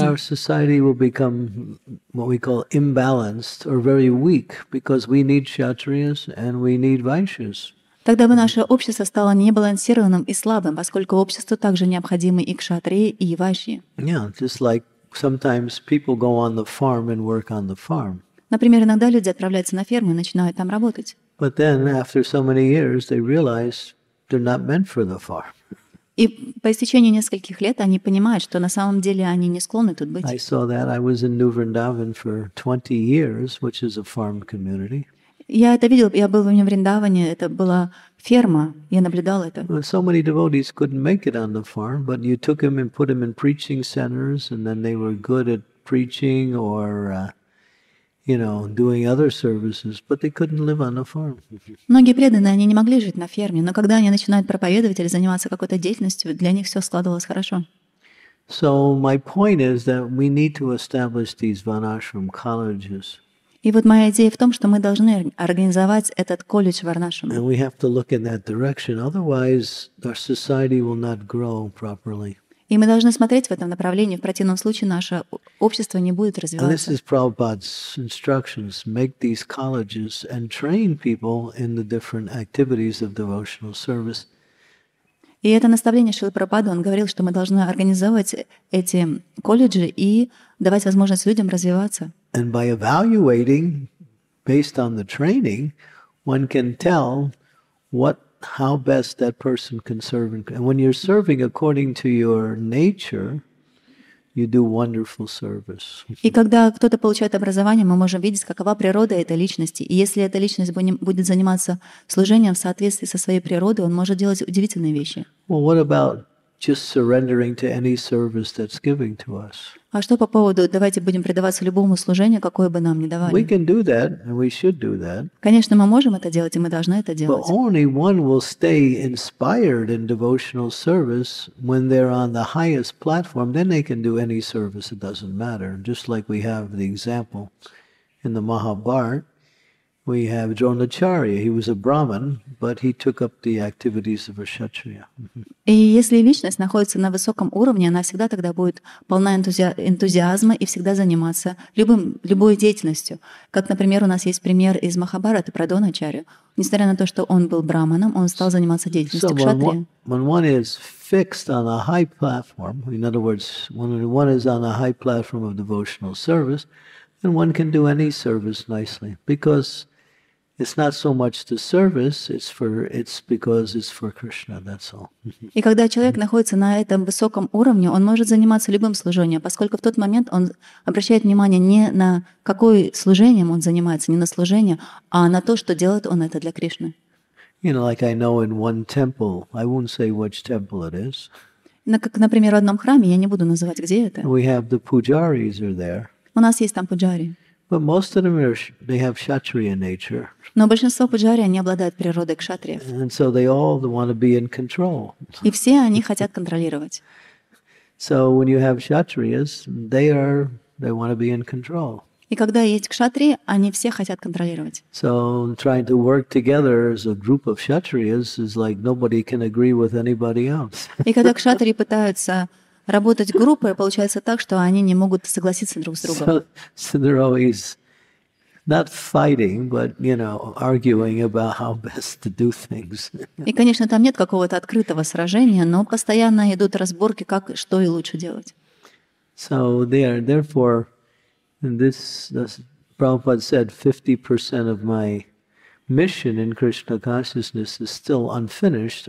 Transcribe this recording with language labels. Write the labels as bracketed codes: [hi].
[ru] наша общество будет, как мы называем, неравновесным или очень слабым, потому что нам нужны кшатриас и нам нужны вайшьяс. Тогда бы наше общество стало небалансированным и слабым, поскольку обществу также необходимы и кшатрии, и вайшьи. [en] Yeah, just like sometimes people go on the farm and work on the farm. [ru] Например, иногда люди отправляются на ферму и начинают там работать. [en] But then, after so many years, they realize they're not meant for the farm. [ru] И по истечению нескольких лет они понимают, что на самом деле они не склонны тут быть. [en] I saw that. I was in New Vrindavan for 20 years, which is a farm community. [ru] Я это видел, я был в нем в Риндаване, это была ферма, я наблюдал это. [en] So many devotees couldn't make it on the farm, but you took them and put them in preaching centers, and then they were good at preaching or, you know, doing other services, but they couldn't live on the farm. [ru] Многие преданные, они не могли жить на ферме, но когда они начинают проповедовать или заниматься какой-то деятельностью, для них все складывалось хорошо. [en] So my point is that we need to establish these vanashram colleges. [ru] И вот моя идея в том, что мы должны организовать этот колледж в Варнашраме. [en] And we have to look in that direction, otherwise our society will not grow properly. [ru] И мы должны смотреть в этом направлении, в противном случае наше общество не будет развиваться. [en] And this is Prabhupada's instructions: make these colleges and train people in the different activities of devotional service. [ru] И это наставление Шрилы Прабхупады, он говорил, что мы должны организовать эти колледжи и давать возможность людям развиваться. [en] And by evaluating, based on the training, one can tell what, how best that person can serve. And when you're serving according to your nature, you do wonderful service. [ru] И когда кто-то получает образование, мы можем видеть, какова природа этой личности. И если эта личность будет заниматься служением в соответствии со своей природой, он может делать удивительные вещи. [en] Well, what about just surrendering to any service that's giving to us? [ru] А что по поводу давайте будем предаваться любому служению, какое бы нам ни давали? [en] We can do that, and we should do that. [ru] Конечно, мы можем это делать, и мы должны это делать. [en] But only one will stay inspired in devotional service when they're on the highest platform. Then they can do any service; it doesn't matter. Just like we have the example in the Mahabharata, we have Dronacharya. He was a Brahmin, but he took up the activities of a Kshatriya. [ru] И если личность находится на высоком уровне, она всегда тогда будет полна энтузиазма и всегда заниматься любой деятельностью. Как, например, у нас есть пример из Махабхараты про Дроначарью. Несмотря на то, что он был Брахманом, он стал заниматься деятельностью кшатрия. [en] When one is fixed on a high platform, in other words, when one is on a high platform of devotional service, then one can do any service nicely, because it's not so much the service, it's because it's for Krishna, that's all. [ru] И когда человек находится на этом высоком уровне, он может заниматься любым служением, поскольку в тот момент он обращает внимание не на какое служением он занимается, не на служение, а на то, что делает он это для Кришны. [en] You know, like I know in one temple, I won't say which temple it is. [ru] Как, например, в одном храме, я не буду называть, где это. [en] We have the pujaris are there. [ru] У нас есть там пуджари. [en] But most of them they have kshatriya nature. [ru] Но большинство пуджари они обладают природой кшатриев. [en] And so they all want to be in control. [ru] И все они хотят контролировать. [en] So when you have kshatriyas, they want to be in control. [ru] И когда есть кшатри, они все хотят контролировать. [en] So trying to work together as a group of kshatriyas is like nobody can agree with anybody else. [ru] И когда кшатри пытаются работать группой, получается так, что они не могут согласиться друг с другом. [en] So they're always not fighting, but, you know, arguing about how best to do things. [ru] И, конечно, там нет какого-то открытого сражения, но постоянно идут разборки, как, что и лучше делать. [en] So therefore, this Prabhupada said 50% of my mission in Krishna consciousness is still unfinished.